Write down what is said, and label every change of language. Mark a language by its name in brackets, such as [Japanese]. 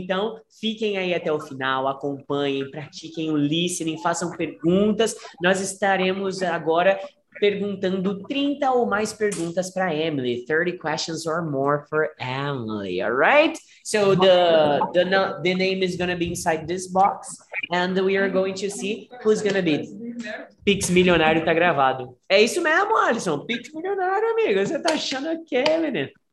[Portuguese] Então, fiquem aí até o final, acompanhem, pratiquem o listening, façam perguntas. Nós estaremos agora perguntando 30 ou mais perguntas para Emily. [English] 30 questions or more for Emily, all right? So the name is going to be inside this box and we are going to see who's going to be. [Portuguese] Pix Milionário tá gravado. É isso mesmo, Alisson. Pix Milionário, amigo. Você tá achando aquele, né?